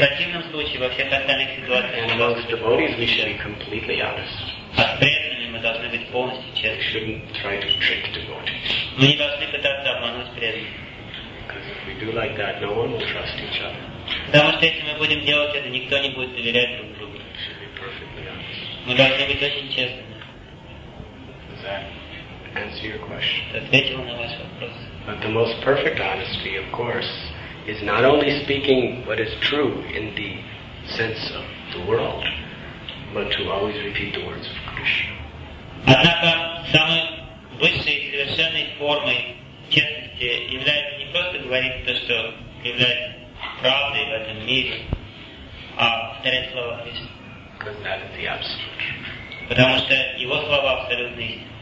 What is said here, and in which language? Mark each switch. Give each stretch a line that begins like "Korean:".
English: And amongst devotees we should be completely honest. We shouldn't try to trick devotees. Because if we do like that, no one will trust each other.
Russian: Потому что если мы будем делать это, никто не будет доверять друг другу.
English: We should be perfectly honest.
Russian: Мы должны быть очень честными.
English: Does that answer your question?
Russian: Ответила на ваш вопрос.
English: But the most perfect honesty, of course, is not only speaking what is true in the sense of the world, but to always repeat the words of Krishna.
Russian: Однако самой высшей и совершенной формой честности является не просто говорить то, что является правдой в этом мире, а повторять слова Кришны.
English: Because that is the absolute truth.
Russian: Потому что его слова абсолютные.